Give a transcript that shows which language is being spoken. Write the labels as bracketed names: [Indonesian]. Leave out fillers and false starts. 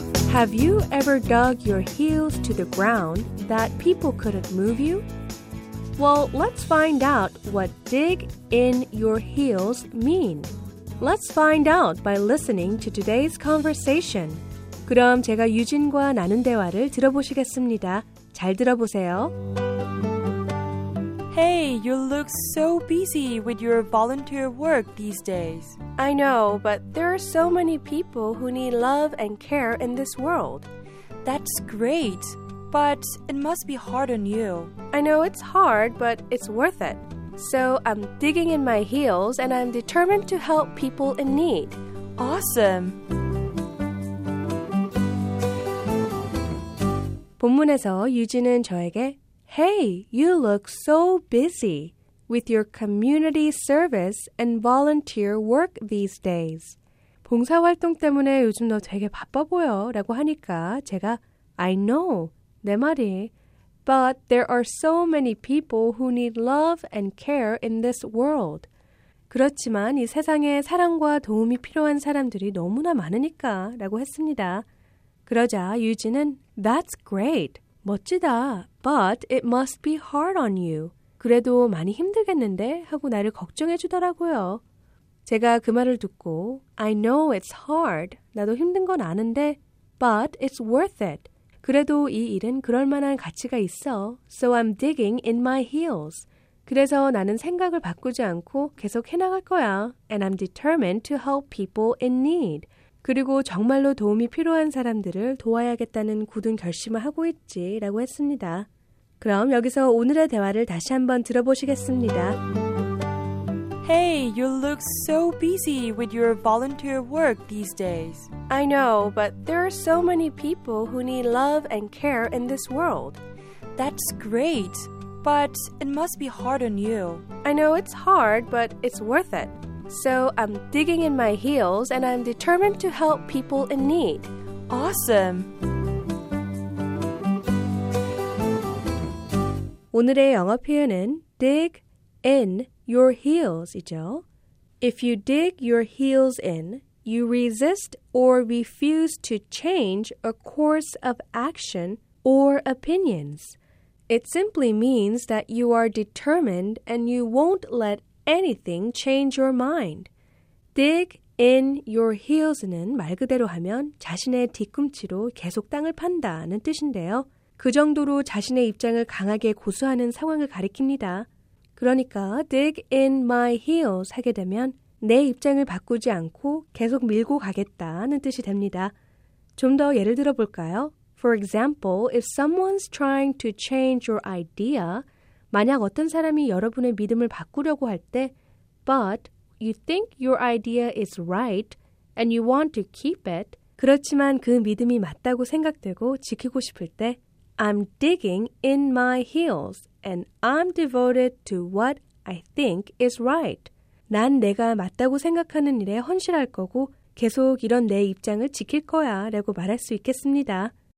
[English] Have you ever dug your heels to the ground that people couldn't move you? Well, let's find out what dig in your heels mean. Let's find out by listening to today's conversation. [Korean] 그럼 제가 유진과 나눈 대화를 들어보시겠습니다. 잘 들어보세요. [English] Hey, you look so busy with your volunteer work these days. I know, but there are so many people who need love and care in this world. That's great, but it must be hard on you. I know it's hard, but it's worth it. So I'm digging in my heels and I'm determined to help people in need. Awesome! [Korean] 본문에서 유진은 저에게 [English] Hey, you look so busy with your community service and volunteer work these days. [Korean] 봉사활동 때문에 요즘 너 되게 바빠 보여 라고 하니까 제가 [English] I know, [Korean] 내 말이. [English] But there are so many people who need love and care in this world. [Korean] 그렇지만 이 세상에 사랑과 도움이 필요한 사람들이 너무나 많으니까 라고 했습니다. 그러자 유진은 [English] That's great. [Korean] 멋지다. [English] But it must be hard on you. [Korean] 그래도 많이 힘들겠는데? 하고 나를 걱정해 주더라고요. 제가 그 말을 듣고 [English] I know it's hard. [Korean] 나도 힘든 건 아는데 [English] But it's worth it. [Korean] 그래도 이 일은 그럴 만한 가치가 있어. [English] So I'm digging in my heels. [Korean] 그래서 나는 생각을 바꾸지 않고 계속 해나갈 거야. [English] And I'm determined to help people in need. [Korean] 그리고 정말로 도움이 필요한 사람들을 도와야겠다는 굳은 결심을 하고 있지 라고 했습니다. 그럼 여기서 오늘의 대화를 다시 한번 들어보시겠습니다. [English] Hey, you look so busy with your volunteer work these days. I know, but there are so many people who need love and care in this world. That's great, but it must be hard on you. I know it's hard, but it's worth it. So I'm digging in my heels and I'm determined to help people in need. Awesome! [Korean] 오늘의 영어 표현은 [English] dig in your heels [Korean] 이죠. [English] If you dig your heels in, you resist or refuse to change a course of action or opinions. It simply means that you are determined and you won't let anything change your mind. Dig in your heels는 [Korean] 말 그대로 하면 자신의 뒤꿈치로 계속 땅을 판다는 뜻인데요. 그 정도로 자신의 입장을 강하게 고수하는 상황을 가리킵니다. 그러니까 [English] dig in my heels [Korean] 하게 되면 내 입장을 바꾸지 않고 계속 밀고 가겠다는 뜻이 됩니다. 좀 더 예를 들어볼까요? [English] For example, if someone's trying to change your idea, [Korean] 만약 어떤 사람이 여러분의 믿음을 바꾸려고 할 때 [English] But you think your idea is right and you want to keep it. [Korean] 그렇지만 그 믿음이 맞다고 생각되고 지키고 싶을 때 [English] I'm digging in my heels and I'm devoted to what I think is right. [Korean] 난 내가 맞다고 생각하는 일에 헌신할 거고 계속 이런 내 입장을 지킬 거야 라고 말할 수 있겠습니다.